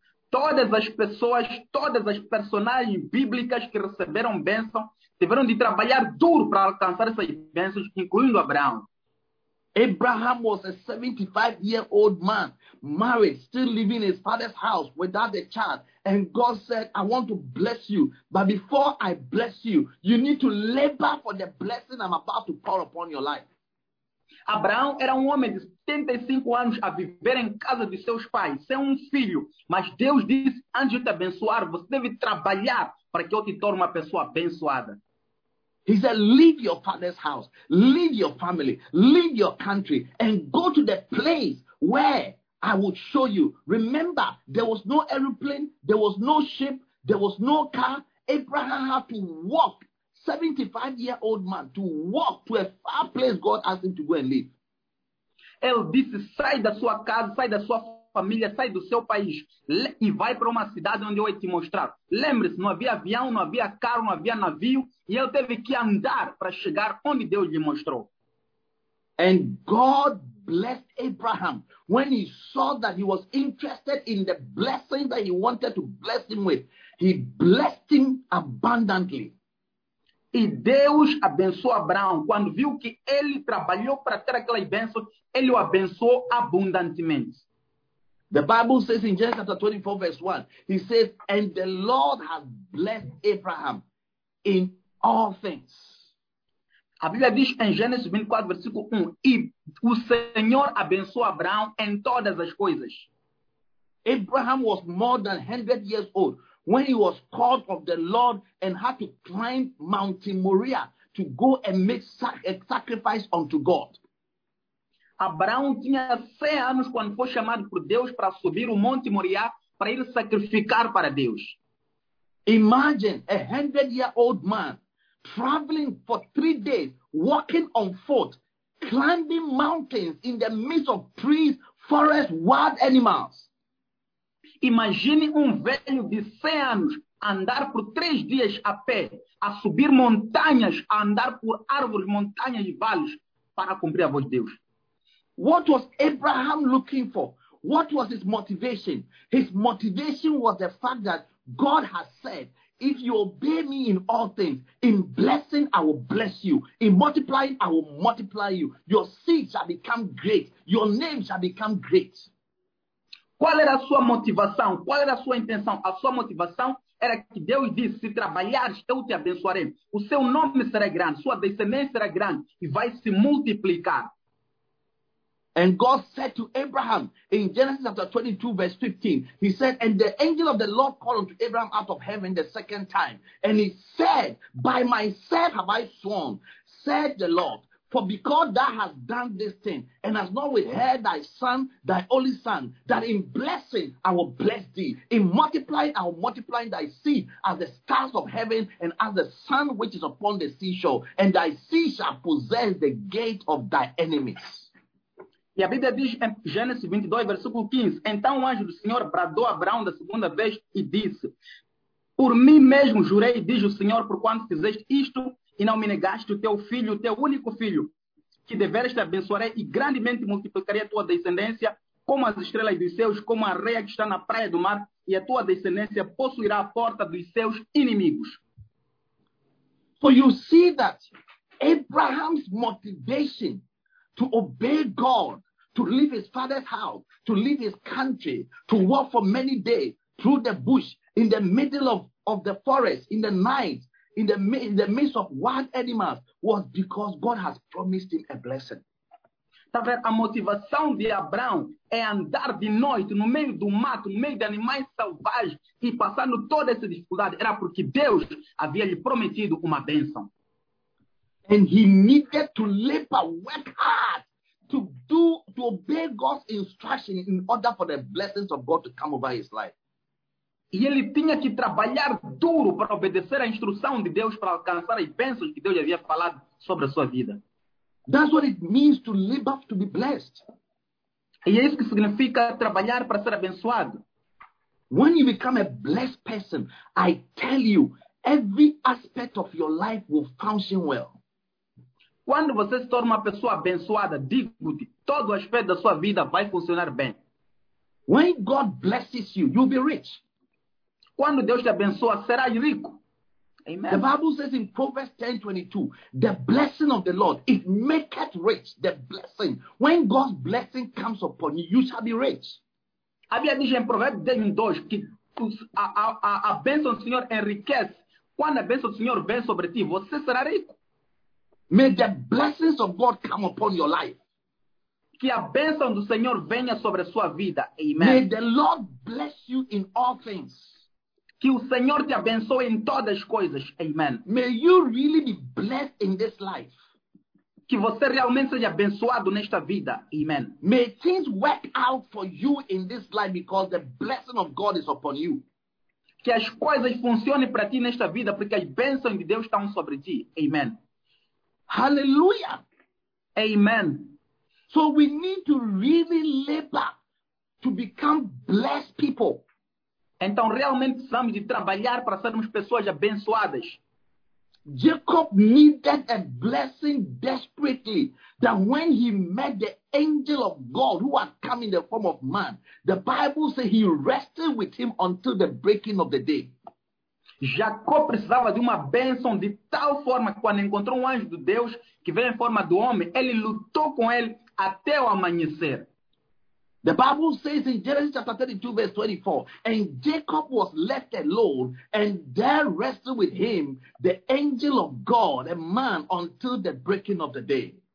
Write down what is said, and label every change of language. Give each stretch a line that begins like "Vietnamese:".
Portuguese: Todas as pessoas, todas as personagens bíblicas que receberam bênção, tiveram de trabalhar duro para alcançar essas bênçãos, incluindo Abraão.
English: Abraham was a 75-year-old man, married, still living in his father's house without a child. And God said, I want to bless you. But before I bless you, you need to labor for the blessing I'm about to pour upon your life.
Portuguese: Abraão era um homem de 75 anos a viver em casa de seus pais, sem um filho. Mas Deus disse, antes de te abençoar, você deve trabalhar para que eu te torne uma pessoa abençoada.
English: He said, leave your father's house, leave your family, leave your country, and go to the place where I will show you. Remember, there was no aeroplane, there was no ship, there was no car. Abraham had to walk, 75-year-old man, to walk to a far place God asked him to go and live.
Portuguese: Ele disse, sai da sua casa, sai da sua família, sai do seu país e vai para uma cidade onde eu ia te mostrar. Lembre-se, não havia avião, não havia carro, não havia navio, e ele teve que andar para chegar onde Deus lhe mostrou.
English: And God blessed Abraham when he saw that he was interested in the blessing that he wanted to bless him with. He blessed him abundantly.
Portuguese: E Deus abençoou Abraão quando viu que ele trabalhou para ter aquela bênção, ele o abençoou abundantemente.
English: The Bible says in Genesis chapter 24, verse 1, he says, and the Lord has blessed Abraham in all things.
Portuguese: A Bíblia diz em Gênesis 24, versículo 1, e o Senhor abençoou Abraão em todas as coisas.
English: Abraham was more than 100 years old when he was called of the Lord and had to climb Mount Moriah to go and make a sacrifice unto God.
Portuguese: Abraão tinha 100 anos quando foi chamado por Deus para subir o Monte Moriá para ir sacrificar para Deus.
English: Imagine a 100-year-old man traveling for 3 days, walking on foot, climbing mountains in the midst of trees, forests, wild animals.
Portuguese: Imagine um velho de 100 anos andar por 3 dias a pé, a subir montanhas, a andar por árvores, montanhas e vales para cumprir a voz de Deus.
English: What was Abraham looking for? What was his motivation? His motivation was the fact that God has said, if you obey me in all things, in blessing, I will bless you. In multiplying, I will multiply you. Your seed shall become great. Your name shall become great.
Portuguese: Qual era a sua motivação? Qual era a sua intenção? A sua motivação era que Deus disse, se trabalhares, eu te abençoarei. O seu nome será grande, sua descendência será grande e vai se multiplicar.
English: And God said to Abraham in Genesis chapter 22, verse 15, he said, and the angel of the Lord called unto Abraham out of heaven the second time. And he said, by myself have I sworn, said the Lord, for because thou hast done this thing, and hast not withheld thy son, thy only son, that in blessing I will bless thee, in multiplying I will multiply thy seed as the stars of heaven and as the sun which is upon the seashore, and thy seed shall possess the gate of thy enemies.
Portuguese: E a Bíblia diz em Gênesis 22, versículo 15, então o anjo do Senhor bradou a Abraão da segunda vez e disse, por mim mesmo jurei, diz o Senhor, por quando fizeste isto e não me negaste o teu filho, o teu único filho, que deveres te abençoarei e grandemente multiplicarei a tua descendência como as estrelas dos céus, como a areia que está na praia do mar, e a tua descendência possuirá a porta dos seus inimigos.
English: So you see that Abraham's motivation to obey God, to leave his father's house, to leave his country, to walk for many days through the bush, in the middle of the forest, in the night, in the midst of wild animals was because God has promised him a blessing.
Portuguese: Talvez a motivação de Abraão é andar de noite no meio do mato, no meio de animais selvagens e passando toda essa dificuldade era porque Deus havia lhe prometido uma bênção.
English: And he needed to labor, work hard to obey God's instruction in order for the blessings of God to come over his life.
Portuguese: E ele tinha que trabalhar duro para obedecer a instrução de Deus para alcançar as bênçãos que Deus havia falado sobre a sua vida.
English: That's what it means to live up to be blessed.
Portuguese: E é isso que significa trabalhar para ser abençoado.
English: When you become a blessed person, I tell you, every aspect of your life will function well.
Portuguese: Quando você se torna uma pessoa abençoada, digo-te, todo aspecto da sua vida vai funcionar bem.
English: When God blesses you, you'll be rich.
Portuguese: Quando Deus te abençoa, serás rico. Amen.
English: The Bible says in Proverbs 10:22, the blessing of the Lord, it maketh rich, the blessing. When God's blessing comes upon you, you shall be rich.
Portuguese: A Bíblia diz em Proverbs 10:22, que a bênção do Senhor enriquece. Quando a bênção do Senhor vem sobre ti, você será rico.
English: May the blessings of God come upon your life.
Portuguese: Que a bênção do Senhor venha sobre a sua vida.
English: Amen. May the Lord bless you in all things.
Portuguese: Que o Senhor te abençoe em todas as coisas.
English: Amen. May you really be blessed in this life.
Portuguese: Que você realmente seja abençoado nesta vida. Amen.
English: May things work out for you in this life because the blessing of God is upon you.
Portuguese: Que as coisas funcionem para ti nesta vida porque as bênçãos de Deus estão sobre ti.
English: Amen. Hallelujah. Amen. So we need to really labor to become blessed people.
Portuguese: Então realmente precisamos de trabalhar para sermos pessoas abençoadas.
English: Jacob needed a blessing desperately that when he met the angel of God who had come in the form of man, the Bible says he rested with him until the breaking of the day.
Portuguese: Jacó precisava de uma bênção de tal forma que quando encontrou um anjo de Deus que veio em forma do homem, ele lutou com ele até o amanhecer.
English: The Bible says in Genesis chapter 32, verse 24, and Jacob was left alone, and there rested with him the angel of God, a man, until the breaking of the day.